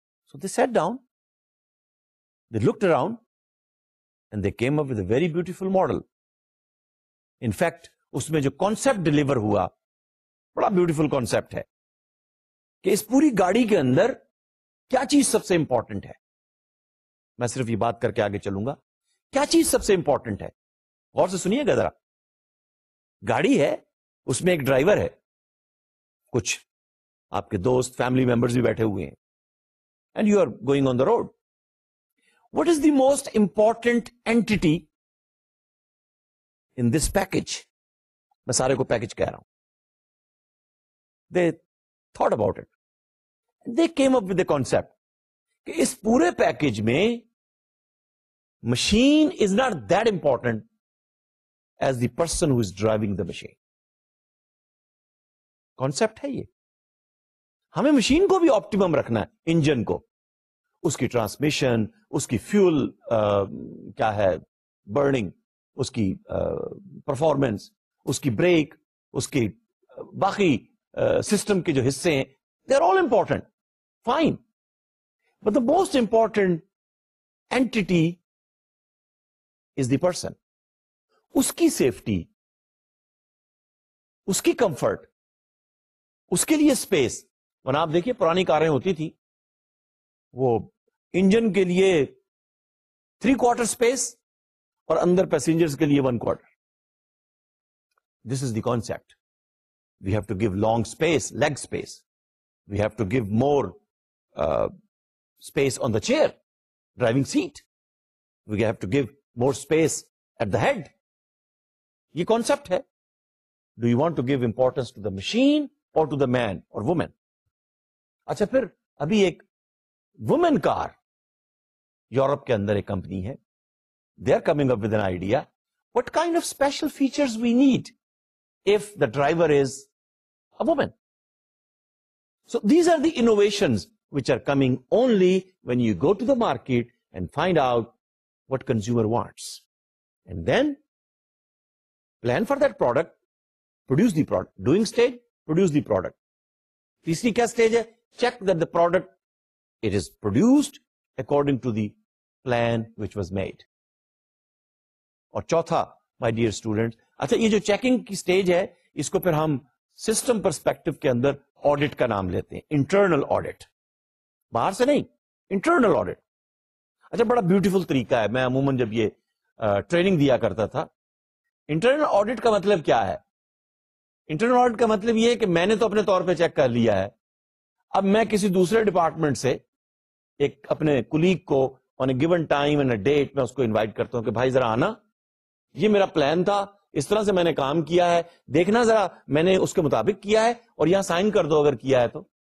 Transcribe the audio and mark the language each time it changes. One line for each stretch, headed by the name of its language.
English: So they sat down, they looked around and they came up with a very beautiful model.
Urdu: In fact اس میں جو concept deliver ہوا بڑا beautiful concept ہے کہ اس پوری گاڑی کے اندر کیا چیز سب سے امپورٹنٹ ہے. میں صرف یہ بات کر کے آگے چلوں گا, کیا چیز سب سے امپورٹنٹ ہے, غور سے سنیے گا ذرا. گاڑی ہے, اس میں ایک ڈرائیور ہے, کچھ آپ کے دوست فیملی ممبرز بھی بیٹھے ہوئے ہیں,
English: And you are going on the road. What is the most important entity in this package?
Urdu: میں سارے کو پیکج کہہ رہا ہوں.
English: they thought about it, they came up with the concept
Urdu: کہ اس پورے پیکج میں
English: Machine is not that important as the person who is driving the machine.
Urdu: Concept ہے یہ, ہمیں مشین کو بھی آپٹیمم رکھنا ہے, انجن کو, اس کی ٹرانسمیشن, اس کی فیول کیا ہے برننگ, اس کی پرفارمنس, اس کی بریک, اس کی باقی سسٹم کے جو حصے ہیں,
English: They are all important, fine, but the most important entity is the person.
Urdu: اس کی سیفٹی, اس کی کمفرٹ, اس کے لیے اسپیس. ورنہ آپ دیکھیے پرانی کاریں ہوتی تھیں, وہ انجن کے لیے 3/4 اسپیس اور اندر پیسنجرز کے لیے 1/4.
English: This is the concept, we have to give long space, leg space, we have to give more space on the chair driving seat, we have to give more space at the head.
Urdu: یہ concept ہے.
English: Do you want to give importance to the machine or to the man or woman?
Urdu: اچھا پھر ابھی ایک women کار Europe کے اندر ایک کمپنی ہے,
English: they are coming up with an idea, what kind of special features we need if the driver is a woman. So these are the innovations which are coming only when you go to the market and find out what consumer wants and then plan for that product, produce the product, doing stage, produce the product.
Urdu: Teesri kya stage hai?
English: Check that the product, it is produced according to the plan which was made.
Urdu: اور چوتھا my dear student, اچھا یہ جو checking کی stage ہے اس کو پھر ہم سسٹم پرسپیکٹو کے اندر آڈٹ کا نام لیتے ہیں, انٹرنل آڈٹ, باہر سے نہیں, انٹرنل آڈٹ. اچھا بڑا بیوٹیفل طریقہ ہے, میں عموماً جب یہ ٹریننگ دیا کرتا تھا, انٹرنل آڈٹ کا مطلب کیا ہے؟ انٹرنل آڈٹ کا مطلب یہ ہے کہ میں نے تو اپنے طور پہ چیک کر لیا ہے, اب میں کسی دوسرے ڈپارٹمنٹ سے ایک اپنے کولیگ کو
English: on a given time and a date
Urdu: میں اس کو انوائٹ کرتا ہوں کہ بھائی ذرا آنا, یہ میرا پلان تھا, اس طرح سے میں نے کام کیا ہے, دیکھنا ذرا میں نے اس کے مطابق کیا ہے, اور یہاں سائن کر دو اگر کیا ہے تو.